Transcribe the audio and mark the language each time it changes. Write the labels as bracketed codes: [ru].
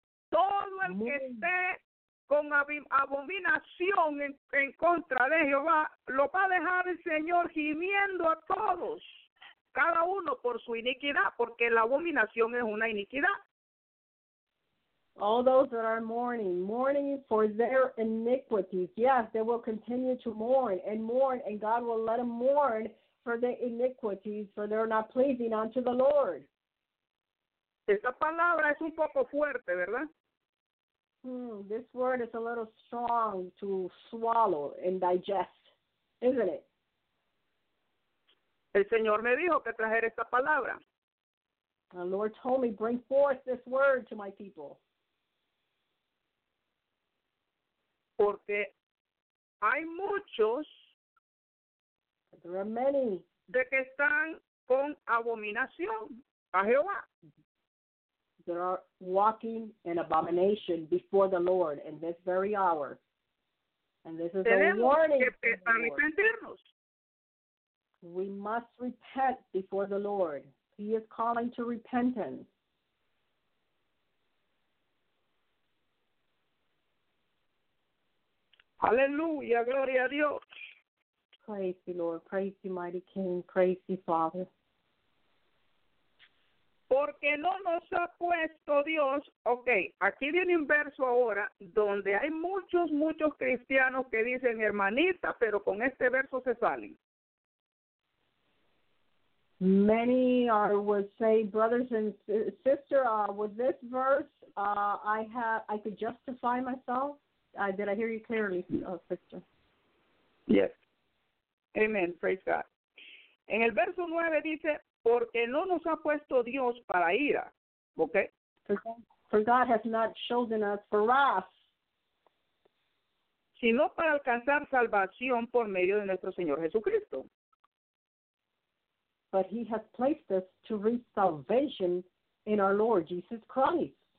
[es] Todo el que esté con abominación en contra de Jehová, lo va a dejar el Señor gimiendo a todos, cada uno por su iniquidad, porque la abominación es una iniquidad. [en] All those that are mourning, mourning for their iniquities, yes, they will continue to mourn, and God will let them mourn for their iniquities, for they're not pleasing unto the Lord. [es] Esta palabra es un poco fuerte, ¿verdad? [en] This word is a little strong to swallow and digest, isn't it? [es] El Señor me dijo que trajera esta palabra. [en] The Lord told me, bring forth this word to my people. [es] Porque hay muchos. [en] There are many. [es] De que están con abominación a Jehová. [en] That are walking in abomination before the Lord in this very hour. And this is [es] tenemos [en] a warning. [es] Arrepentirnos. [en] We must repent before the Lord. He is calling to repentance. [es] Hallelujah, gloria a Dios. [en] Praise the Lord. Praise the mighty King. Praise the Father. [es] Porque no nos ha puesto Dios. Okay, aquí viene un verso ahora donde hay muchos, muchos cristianos que dicen hermanita, pero con este verso se salen. [en] Many are would say brothers and sister, with this verse, I could justify myself. Did I hear you clearly, sister? Yes. Amen. Praise God. [es] En el verso 9 dice, porque no nos ha puesto Dios para ira. [en] Okay. For God has not chosen us for wrath. [es] Sino para alcanzar salvación por medio de nuestro Señor Jesucristo. [en] But he has placed us to reach salvation in our Lord Jesus Christ.